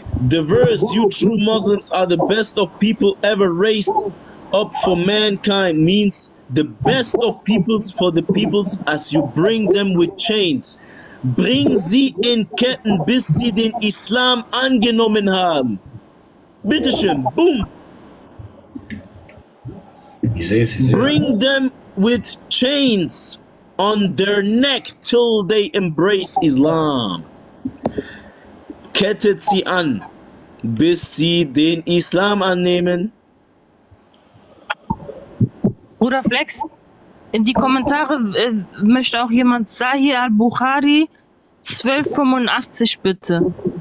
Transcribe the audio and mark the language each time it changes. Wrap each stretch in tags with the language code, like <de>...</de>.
<en>The verse, you true Muslims are the best of people ever raised up for mankind, means the best of peoples for the peoples as you bring them with chains.</en> <de>Bring sie in Ketten, bis sie den Islam angenommen haben. Bitteschön, boom.</de> <en>Bring them with chains on their neck till they embrace Islam.</en> <de>Kettet sie an, bis sie den Islam annehmen. Bruder Flex? In die Kommentare möchte auch jemand Sahih al-Bukhari 1285 bitte.</de>